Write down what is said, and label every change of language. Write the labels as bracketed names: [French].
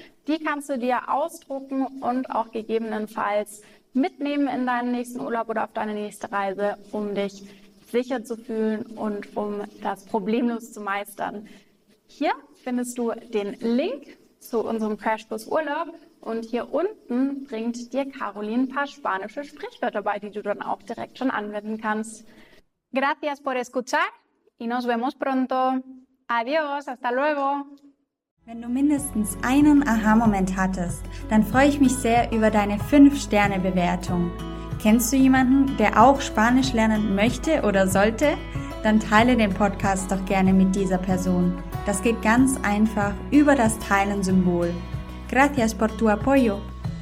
[German] Die kannst du dir ausdrucken und auch gegebenenfalls mitnehmen in deinen nächsten Urlaub oder auf deine nächste Reise, um dich sicher zu fühlen und um das problemlos zu meistern. Hier findest du den Link zu unserem Crashkurs Urlaub und hier unten bringt dir Caroline ein paar spanische Sprichwörter bei, die du dann auch direkt schon anwenden kannst. [Spanish] Gracias por escuchar y nos vemos pronto. Adiós, hasta luego. [German] Wenn du mindestens einen Aha-Moment hattest, dann freue ich mich sehr über deine 5-Sterne-Bewertung. Kennst du jemanden, der auch Spanisch lernen möchte oder sollte? Dann teile den Podcast doch gerne mit dieser Person. Das geht ganz einfach über das Teilen-Symbol. [Spanish] Gracias por tu apoyo.